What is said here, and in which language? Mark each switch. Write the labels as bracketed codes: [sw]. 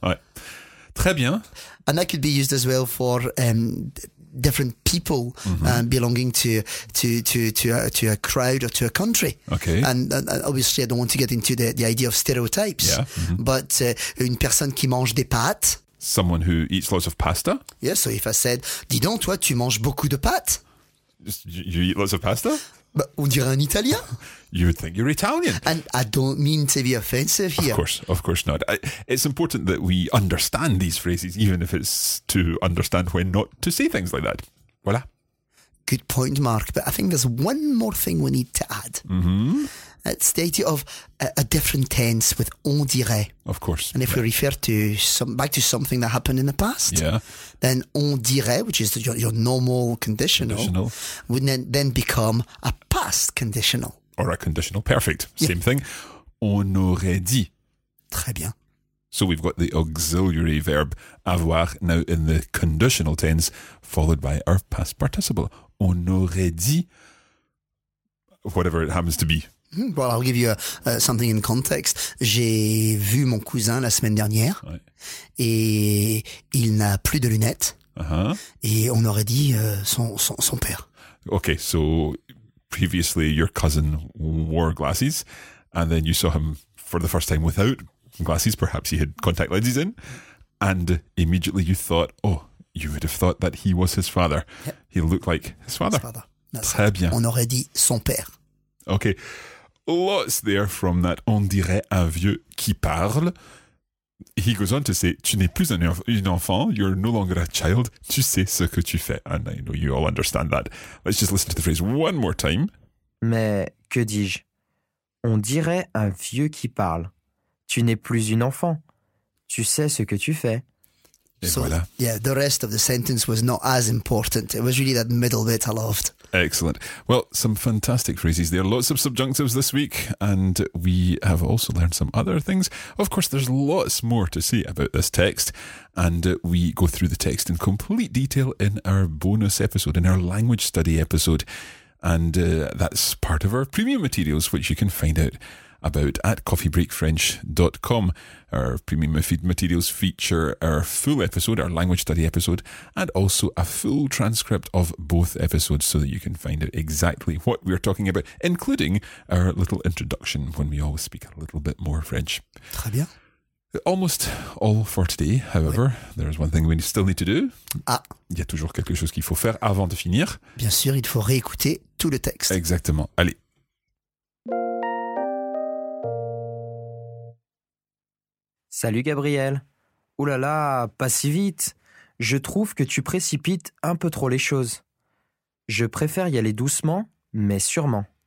[fr] Ouais. Très bien. [en] And that could be used as well for different people belonging to a crowd or to a country. Okay. And obviously, I don't want to get into the idea of stereotypes. Yeah. Mm-hmm. But [fr] une personne qui mange des pâtes. [en] Someone who eats lots of pasta. Yeah, so if I said, [fr] dis donc, toi, tu manges beaucoup de pâtes. [en] You eat lots of pasta? [fr] Bah, on dirait un Italien. [en] You would think you're Italian. And I don't mean to be offensive here. Of course not. It's important that we understand these phrases, even if it's to understand when not to say things like that. [fr] Voilà. [en] Good point, Mark. But I think there's one more thing we need to add. Mm-hmm. It's the idea of a different tense with on dirait. Of course. And if we refer to back to something that happened in the past, then on dirait, which is your normal conditional, would then become a past conditional. Or a conditional, perfect. Same thing. [fr] On aurait dit. Très bien. [en] So we've got the auxiliary verb avoir now in the conditional tense, followed by our past participle. [fr] On aurait dit [en] whatever it happens to be. Well, I'll give you something in context. [fr] J'ai vu mon cousin la semaine dernière et il n'a plus de lunettes. Uh-huh. Et on aurait dit son père. [en] Okay, so previously your cousin wore glasses and then you saw him for the first time without glasses. Perhaps he had contact lenses in. And immediately you thought, oh, you would have thought that he was his father. Yep. He looked like his father. [fr] Très bien. On aurait dit son père. [en] Okay. Lots there from that [fr] on dirait un vieux qui parle. [en] He goes on to say, [fr] tu n'es plus un enfant, [en] you're no longer a child, [fr] tu sais ce que tu fais. [en] And I know you all understand that. Let's just listen to the phrase one more time. [fr] Mais que dis-je? On dirait un vieux qui parle. Tu n'es plus une enfant, tu sais ce que tu fais. Et voilà. [en] So, yeah, the rest of the sentence was not as important. It was really that middle bit I loved. Excellent. Well, some fantastic phrases there. Lots of subjunctives this week, and we have also learned some other things. Of course, there's lots more to say about this text, and we go through the text in complete detail in our bonus episode, in our language study episode, and that's part of our premium materials, which you can find out about at coffeebreakfrench.com. Our premium feed materials feature our full episode, our language study episode, and also a full transcript of both episodes so that you can find out exactly what we're talking about, including our little introduction when we all speak a little bit more French. [fr] Très bien. [en] Almost all for today, however, [fr] oui. [en] There is one thing we still need to do. Ah. [fr] Il y a toujours quelque chose qu'il faut faire avant de finir. Bien sûr, il faut réécouter tout le texte. Exactement. Allez. Salut Gabriel. Ouh là là, pas si vite. Je trouve que tu précipites un peu trop les choses. Je préfère y aller doucement, mais sûrement.